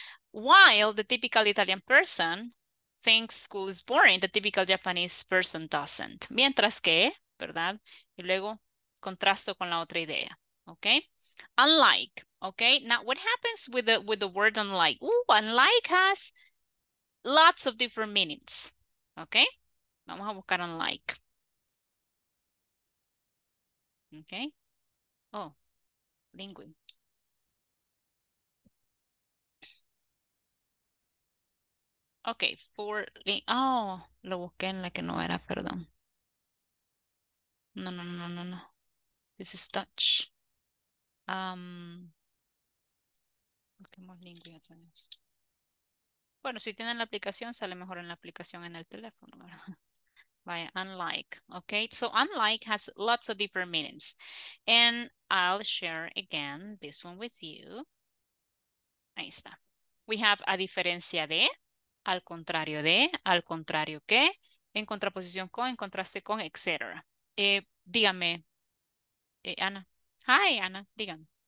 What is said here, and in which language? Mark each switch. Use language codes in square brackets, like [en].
[en] While the typical Italian person thinks school is boring, the typical Japanese person doesn't. [es] Mientras que, ¿verdad? Y luego, contrasto con la otra idea, okay? [en] Unlike, okay? Now, what happens with the word unlike? Ooh, unlike has lots of different meanings, okay? [es] Vamos a buscar unlike. [en] Okay? Oh, lingui. [es] Okay, lo busqué en la que no era, perdón. No. [en] This is Dutch. [es] Busquemos lingui otra vez. Bueno, si tienen la aplicación, sale mejor en la aplicación en el teléfono, ¿verdad? [en] Right, unlike. Okay, so unlike has lots of different meanings. And I'll share again this one with you. [es] Ahí está. [en] We have [es] a diferencia de, al contrario que, en contraposición con, en contraste con, etc. Dígame, Ana. Hi, Ana, dígame.